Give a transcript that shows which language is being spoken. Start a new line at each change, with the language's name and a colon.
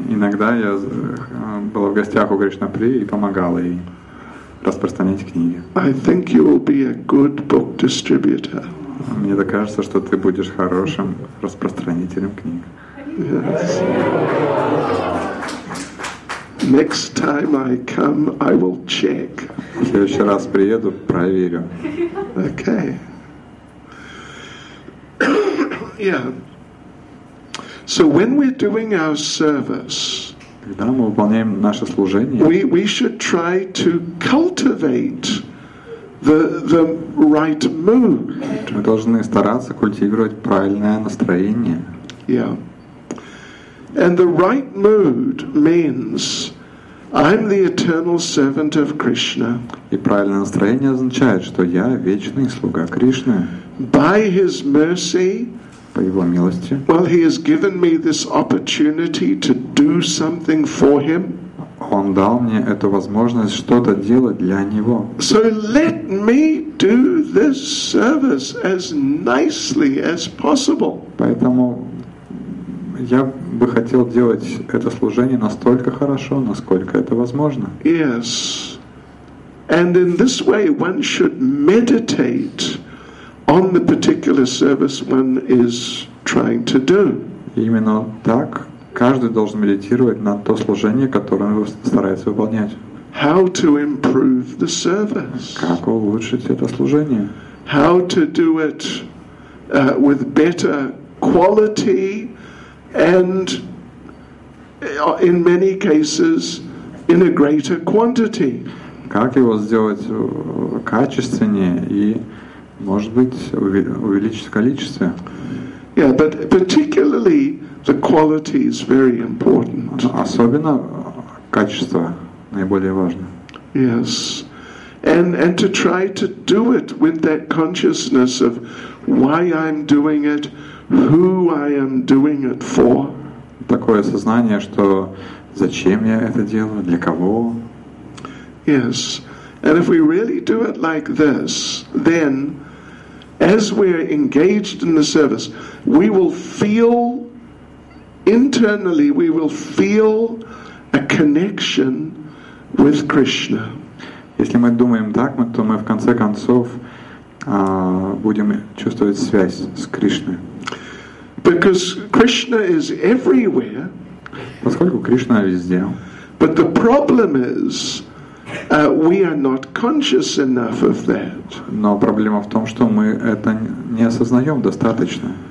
Russian: Иногда я была в гостях у Кришнапри и помогала ей распространять книги.
English: I think you will be a good book distributor.
Russian: Мне так кажется, что ты будешь хорошим распространителем книг.
English: Yes. Next time I come, I will check.
Russian: В следующий раз приеду, проверю.
English: Okay. Yeah. So when we're doing our service,
Russian: когда мы выполняем наше служение,
English: we should try to cultivate the right mood.
Russian: Мы должны стараться культивировать правильное настроение.
English: Yeah. And the right mood means I'm the eternal servant of Krishna.
Russian: И правильное настроение означает, что я вечный слуга Кришны.
English: By his mercy,
Russian: по его милости,
English: well, he has given me this opportunity to do something for him.
Russian: Он дал мне эту возможность что-то делать для него.
English: So let me do this service as nicely as possible.
Russian: Поэтому я бы хотел делать это служение настолько хорошо, насколько это возможно.
English: Yes. And in this way one should meditate on the particular service one is trying to do.
Russian: Именно так каждый должен медитировать на то служение, которое он старается выполнять.
English: How to improve the service?
Russian: Как улучшить это служение?
English: How to do it with better quality? And in many cases, in a greater quantity.
Russian: Как его сделать качественнее и, может быть, увеличить количество?
English: Yeah, but particularly the quality is very important.
Russian: Особенно качество наиболее важно.
English: Yes, and to try to do it with that consciousness of why I'm doing it. Who I am doing it for?
Russian: Такое сознание, что зачем я это делаю, для кого?
English: Yes, and if we really do it like this, then as we are engaged in the service, we will feel internally, we will feel a connection with Krishna.
Russian: Если мы думаем так, то мы в конце концов будем чувствовать связь с Кришной.
English: Because Krishna is everywhere.
Russian: Поскольку Кришна везде.
English: But the problem is, we are not conscious enough of that.
Russian: Но проблема в том, что мы это не осознаем достаточно.